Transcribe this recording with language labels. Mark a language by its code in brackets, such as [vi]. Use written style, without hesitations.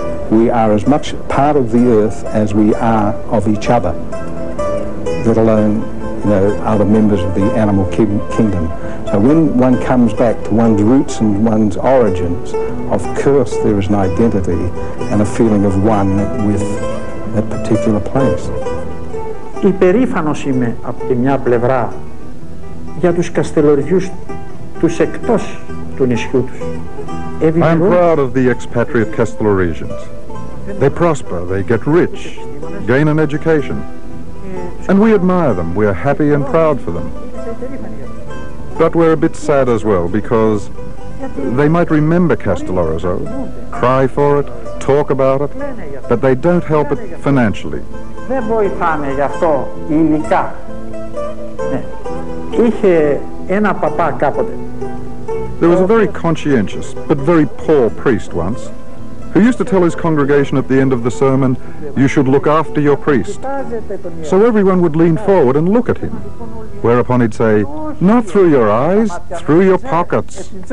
[en] We are as much part of the earth as we are of each other, let alone, you know, other members of the animal kingdom. So when one comes back to one's roots and one's origins, of course there is an identity and a feeling of one with that particular place. [el] Υπερήφανος είμαι από τη μια πλευρά για τους Καστελοριζιούς, τους εκτός του νησιού τους. [en] I am proud of the expatriate Castellorizians. They prosper, they get rich, gain an education. And we admire them, we are happy and proud for them. But we're a bit sad as well, because they might remember Castellorizo, cry for it, talk about it, but they don't help it financially. [el] Δεν βοηθάνε γι' αυτό υλικά. Είχε ένα παπά κάποτε. [en] There was a very conscientious, but very poor priest once, who used to tell his congregation at the end of the sermon, you should look after your priest. So everyone would lean forward and look at him, whereupon he'd say, not through your eyes, through your pockets.